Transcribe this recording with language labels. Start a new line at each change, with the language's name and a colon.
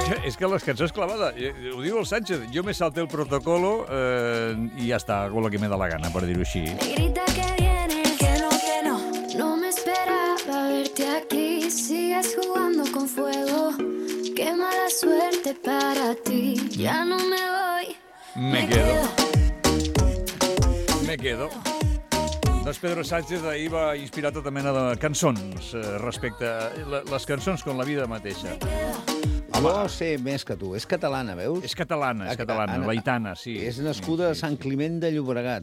Catalan: És que les cançons clavada, ho diu el Sánchez, jo
Spanish: me salté el protocolo
Catalan: i ja està,
Spanish: con lo que me da la gana,
Catalan: per dir-ho així.
Spanish: Me grita que vienes, que no, no me esperaba verte aquí, sigues jugando con fuego, qué mala suerte para ti, ya no me voy, me quedo.
Catalan: Doncs Pedro Sánchez ahir va inspirar tota mena de cançons respecte a les cançons com la vida mateixa. Jo sé més que tu. És catalana, veus? És catalana, és catalana. L'Aitana, sí. És nascuda a Sant Climent de Llobregat.